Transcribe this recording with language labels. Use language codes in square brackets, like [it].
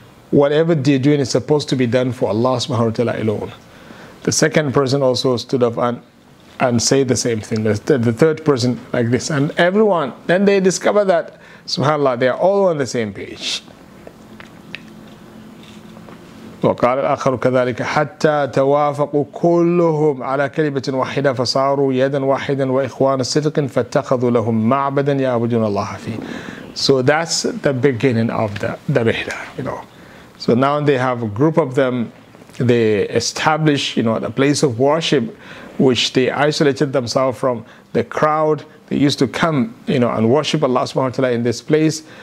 [en] Whatever they're doing is supposed to be done for Allah subhanahu wa ta'ala alone." The second person also stood up and say the same thing. The third person like this. And everyone, then they discover that, subhanAllah, they are all on the same page. [ar] وقال الآخر كذلك حتى توافقوا كلهم على كلمة واحدة فصاروا يدا واحدا وإخوان صدق فاتخذوا لهم معبدا يعبدون الله فيه. [en] So that's the beginning of the bihda, you know. So now they have a group of them. They establish, you know, the place of worship, which they isolated themselves from the crowd. They used to come, you know, and worship Allah subhanahu wa ta'ala in this place.